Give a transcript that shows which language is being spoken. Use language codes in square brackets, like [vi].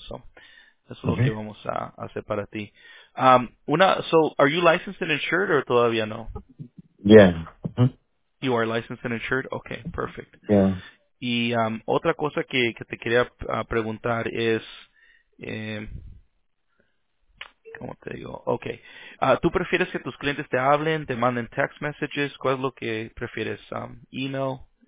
[es] So, eso es lo que vamos a hacer para ti. [en] So are you licensed and insured or [es] todavía no? Yeah. Mm-hmm. [en] You are licensed and insured? Okay, perfect. Yeah. [es] Y otra cosa que te quería preguntar es, ¿cómo te digo? Okay. ¿Tú prefieres que tus clientes te hablen, te manden text messages? ¿Cuál es lo que prefieres? ¿Email?